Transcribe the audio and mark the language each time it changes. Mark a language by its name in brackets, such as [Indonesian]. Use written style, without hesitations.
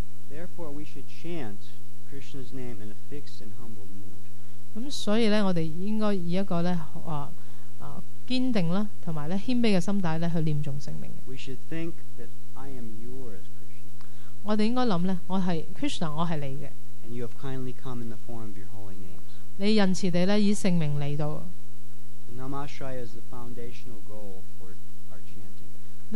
[English] Therefore we should chant Krishna's name in a fixed and humble mood. [Cantonese] 咁所以呢，我哋應該以一個呢堅定啦，同埋呢謙卑嘅心態呢去念重聖名。 [English] We should think that I am yours, Krishna. [Cantonese] 我哋應該諗呢，我係 Krishna， 我係你嘅。 [English] And you have kindly come in the form of your holy names. [Cantonese] 你仁慈地呢以聖名嚟到。 [English] Namashraya is the foundational goal for our chanting.